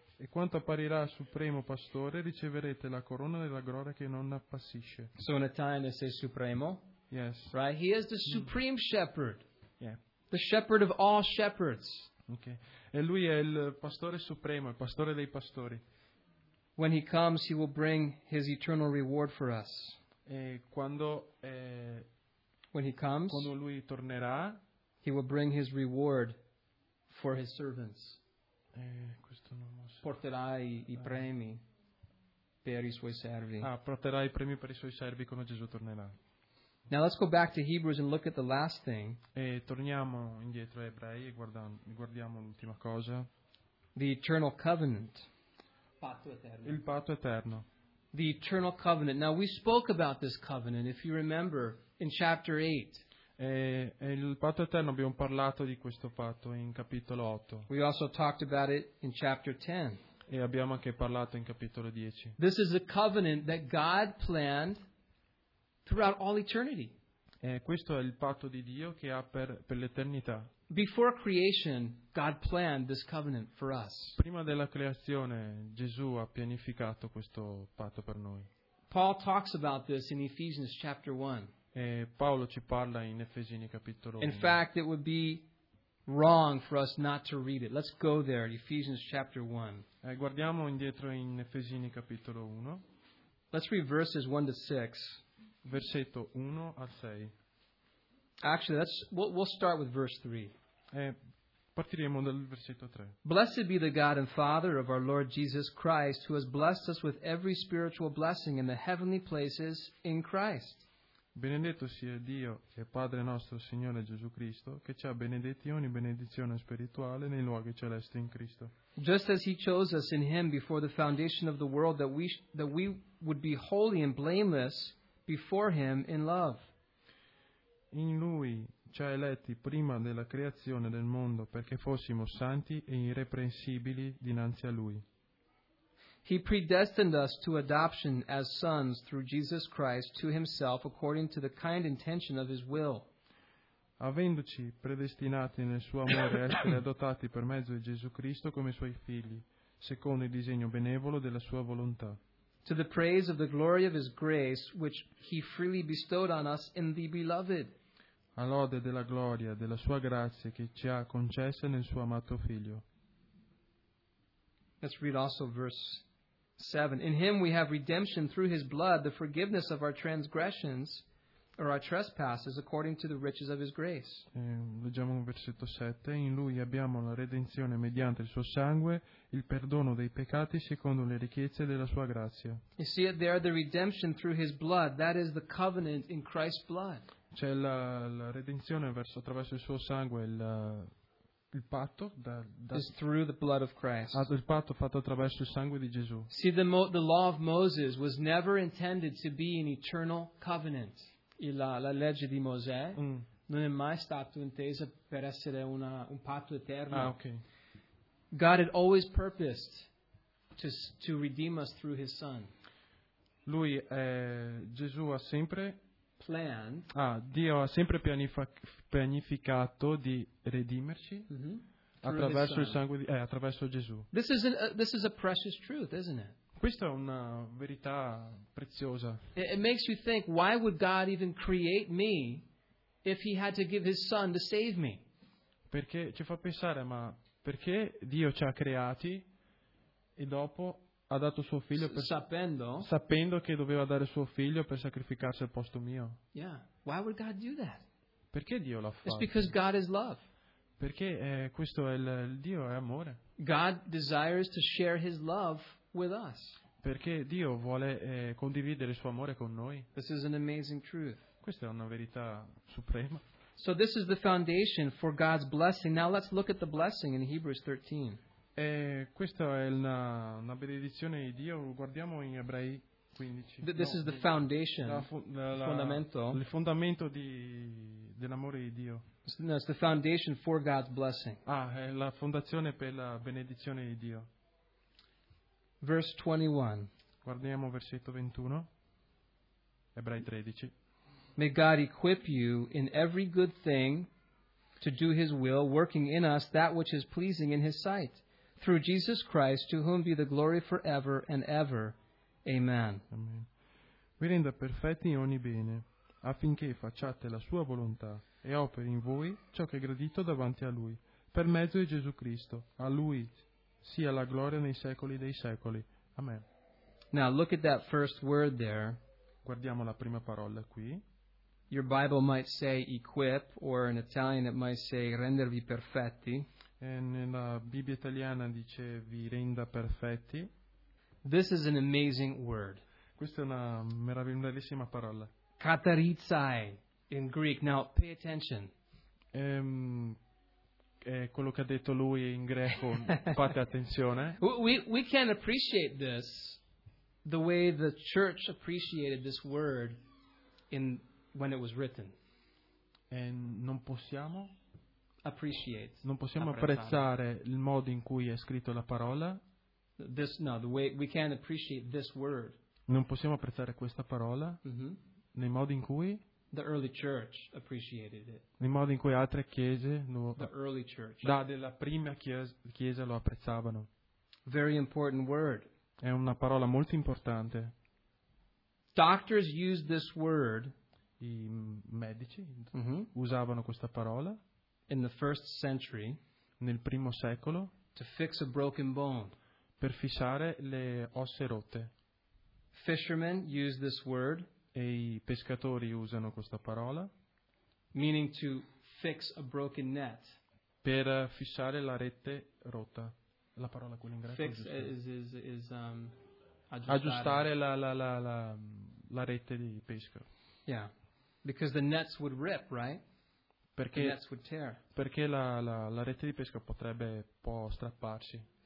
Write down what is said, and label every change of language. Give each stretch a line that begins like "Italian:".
Italian: E quanto apparirà supremo pastore, riceverete la corona della gloria che non appassisce.
English: So in Italian they say supremo. Yes. Right? He is the supreme shepherd. Yeah. The shepherd of all shepherds. Okay.
Italian: E lui è il pastore supremo, il pastore dei pastori.
English: When he comes, he will bring his eternal reward for us.
Italian: E quando
English: when he comes,
Italian: quando lui tornerà,
English: he will bring his reward for his servants.
Italian: Questo non lo so. Porterà i premi per i suoi servi. Porterà i premi per i suoi servi quando Gesù tornerà.
English: Now let's go back to Hebrews and look at the last thing.
Italian: E torniamo indietro ai Ebrei e guardiamo l'ultima cosa.
English: The eternal covenant.
Italian: Patto eterno. Il patto eterno.
English: The eternal covenant. Now we spoke about this covenant, if you remember, in chapter 8.
Italian: E il patto eterno abbiamo parlato di questo patto in capitolo 8.
English: We also talked about it in chapter 10.
Italian: E abbiamo anche parlato in capitolo 10.
English: This is a covenant that God planned throughout all eternity.
Italian: Questo è il patto di Dio che ha per l'eternità.
English: Before creation, God planned this covenant for us.
Italian: Prima della creazione, Gesù ha pianificato questo patto per noi.
English: Paul talks about this in Ephesians chapter 1.
Italian: E Paolo ci parla in Efesini capitolo 1.
English: In fact, it would be wrong for us not to read it. Let's go there, Ephesians chapter 1.
Italian: Guardiamo indietro in Efesini capitolo 1.
English: Let's read verses 1 to 6.
Italian: Versetto 1 al 6.
English: Actually, we'll start with verse 3.
Italian: Partiremo dal versetto 3.
English: Blessed be the God and Father of our Lord Jesus Christ, who has blessed us with every spiritual blessing in the heavenly places in Christ.
Italian: Benedetto sia Dio e Padre nostro Signore Gesù Cristo, che ci ha benedetti ogni benedizione spirituale nei luoghi celesti in Cristo.
English: Just as he chose us in him before the foundation of the world that we would be holy and blameless before him in love.
Italian: In lui ci ha eletti prima della creazione del mondo perché fossimo santi e irreprensibili dinanzi a lui.
English: He predestined us to adoption as sons through Jesus Christ to himself according to the kind intention of his will.
Italian: Avendoci predestinati nel suo amore a essere adottati per mezzo di Gesù Cristo come suoi figli, secondo il disegno benevolo della sua volontà.
English: To the praise of the glory of his grace which he freely bestowed on us in the beloved.
Italian: A lode della gloria della sua grazia che ci ha concessa nel suo amato figlio.
English: Let's read also verse 7. In him we have redemption through his blood, the forgiveness of our transgressions or our trespasses according to the riches of his grace.
Italian: Leggiamo un versetto 7. In lui abbiamo la redenzione mediante il suo sangue, il perdono dei peccati secondo le ricchezze della sua grazia.
English: You see it there, the redemption through his blood, that is the covenant in Christ's blood.
Italian: C'è la redenzione attraverso il suo sangue, il patto
English: is through the blood of Christ.
Italian: Il patto fatto attraverso il sangue di Gesù.
English: See, the law of Moses was never intended to be an eternal covenant.
Italian: La legge di Mosè non è mai stata intesa per essere un patto eterno.
English: Ah, okay. God had always purposed to redeem us through his son.
Italian: Lui, Gesù ha sempre
English: planned.
Italian: Ah, Dio ha sempre pianificato di redimerci attraverso Gesù.
English: This is a precious truth, isn't it?
Italian: Questa è una verità preziosa.
English: It makes you think, why would God even create me if he had to give his son to save me?
Italian: Perché ci fa pensare, ma perché Dio ci ha creati e dopo ha dato suo figlio sapendo che doveva dare suo figlio per sacrificarsi al posto mio?
English: Yeah. Why would God do that?
Italian: Perché Dio l'ha fatto?
English: It's because God is love.
Italian: Perché questo è il Dio è amore.
English: God desires to share his love with us.
Italian: Perché Dio vuole condividere il suo amore con noi.
English: This is an amazing truth.
Italian: Questa è una verità suprema.
English: So this is the foundation for God's blessing. Now let's look at the blessing in Hebrews 13.
Italian: Questa è una benedizione di Dio. Guardiamo in Ebrei 15.
English: This is the foundation, fondamento.
Italian: Il fondamento dell'amore di Dio.
English: No, it's the foundation for God's blessing.
Italian: Ah, è la fondazione per la benedizione di Dio.
English: Verse 21.
Italian: Guardiamo versetto 21. Ebrei 13.
English: May God equip you in every good thing to do his will, working in us that which is pleasing in his sight. Through Jesus Christ, to whom be the glory forever and ever. Amen. Amen.
Italian: Vi renda perfetti in ogni bene, affinché facciate la sua volontà e operi in voi ciò che è gradito davanti a lui, per mezzo di Gesù Cristo, a lui sia la gloria nei secoli dei secoli. Amen.
English: Now look at that first word there.
Italian: Guardiamo la prima parola qui.
English: Your Bible might say equip, or in Italian it might say
Italian: rendervi perfetti. E nella Bibbia italiana dice vi renda perfetti.
English: This is an amazing word.
Italian: Questa è una meravigliosissima parola.
English: Katarizai in Greek. Now pay attention.
Italian: È quello che ha detto lui in greco. Fate attenzione.
English: We can appreciate this the way the church appreciated this word when it was written.
Italian: E non possiamo
English: appreciate.
Italian: Non possiamo apprezzare il modo in cui è scritto la parola.
English: This, no, the way we can appreciate this word.
Italian: Non possiamo apprezzare questa parola nel modo in cui
English: The early church appreciated it.
Italian: In modo in cui altre chiese lo,
English: the early church.
Italian: Da, della prima chiesa lo apprezzavano.
English: Very important word.
Italian: È una parola molto importante.
English: Doctors used this word.
Italian: I medici usavano questa parola.
English: In the first century.
Italian: Nel primo secolo.
English: To fix a broken bone.
Italian: Per fissare le ossa rotte.
English: Fishermen use this word.
Italian: E i pescatori usano questa parola.
English: Meaning to fix a broken net.
Italian: Per fissare la rete rotta. La parola quella in greco.
English: Fix is
Italian: aggiustare la rete di pesca.
English: Yeah. Because the nets would rip, right?
Italian: Perché,
English: the nets would tear.
Italian: Perché la rete di pesca potrebbe può strapparsi.